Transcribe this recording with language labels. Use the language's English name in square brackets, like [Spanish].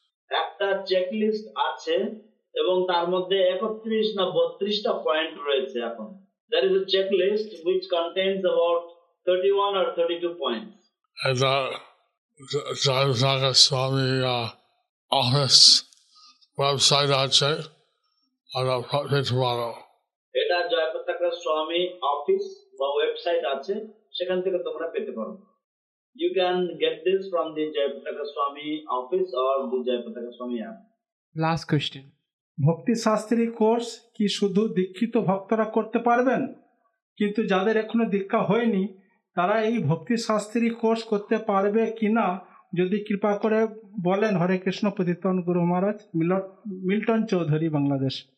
[Bangla] একটা checklist আছে. এবং তার মধ্যে 31 না 32টা পয়েন্ট রয়েছে এখন. [English] There is a checklist which contains about 31 or 32 points. As a Jayasaka Swami office website [Bangla] আছে আর ফেসবুক. এটা জয়প্রতাপ স্বামী অফিস বা ওয়েবসাইট আছে, সেখান থেকে তোমরা পেতে পারো. [English] You can get this from the Jayapratap Swami office or the Jayapratap Swami app. Last question. [Bangla] ভক্তি শাস্ত্রী কোর্স কি শুধু দীক্ষিত ভক্তরা করতে পারবেন? কিন্তু যাদের এখনো দীক্ষা হয়নি তারা এই ভক্তি শাস্ত্রী কোর্স করতে পারবে কিনা যদি কৃপা করে বলেন. হরে কৃষ্ণ পতিতন গুরু মহারাজ, মিল্টন চৌধুরী, বাংলাদেশ.